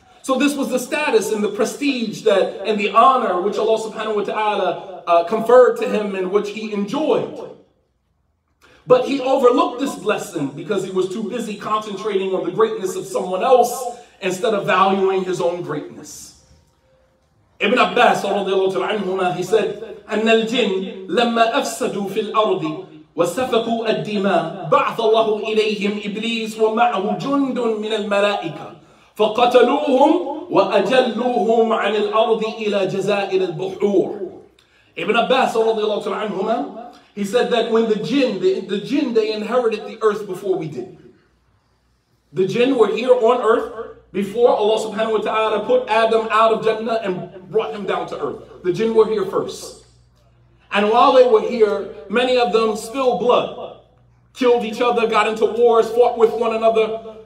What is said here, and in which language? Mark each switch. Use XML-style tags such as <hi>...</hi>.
<en>So this was the status and the prestige that and the honor which Allah subhanahu wa ta'ala conferred to him and which he enjoyed. But he overlooked this blessing because he was too busy concentrating on the greatness of someone else instead of valuing his own greatness. Ibn Abbas radiallahu ta'ala anhuma, he said,</en> <ar>أَنَّ الْجِنِّ لَمَّا أَفْسَدُوا فِي الْأَرْضِ وَسَفَكُوا الدِّمَاءِ بَعْثَ اللَّهُ إِلَيْهِمْ إِبْلِيسُ وَمَعْهُ جُنْدٌ مِنَ الْمَلَائِكَةِ فَقَتَلُوهُمْ وَأَجَلُّوهُمْ عَنِ الْأَرْضِ إِلَى جَزَائِرِ الْبُحُورِ.</ar> <en>Ibn Abbas radiallahu ta'ala anhuma, he said that when the jinn, they inherited the earth before we did. The jinn were here on earth before Allah subhanahu wa ta'ala put Adam out of Jannah and brought him down to earth. The jinn were here first. And while they were here, many of them spilled blood, killed each other, got into wars, fought with one another.</en>